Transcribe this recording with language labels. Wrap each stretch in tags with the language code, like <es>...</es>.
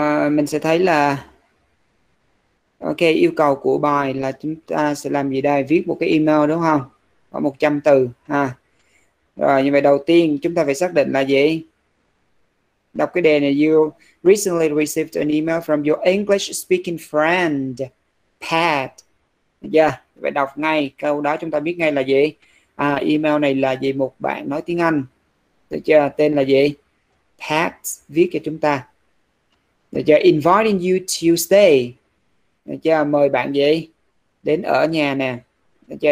<vi>Mình sẽ thấy là ok, yêu cầu của bài là chúng ta sẽ làm gì đây? Viết một cái email đúng không? Có 100 từ ha. Rồi, như vậy đầu tiên chúng ta phải xác định là gì? Đọc cái đề này.</vi> <en>You recently received an email from your English speaking friend, Pat.</en> <vi>Yeah, vậy đọc ngay câu đó chúng ta biết ngay là gì. À, email này là gì? Một bạn nói tiếng Anh. Được chưa? Tên là gì? Pat viết cho chúng ta. Được chưa?</vi> <en>Inviting you Tuesday.</en> <vi>Được chưa? Mời bạn gì? Đến ở nhà nè. Được chưa?</vi>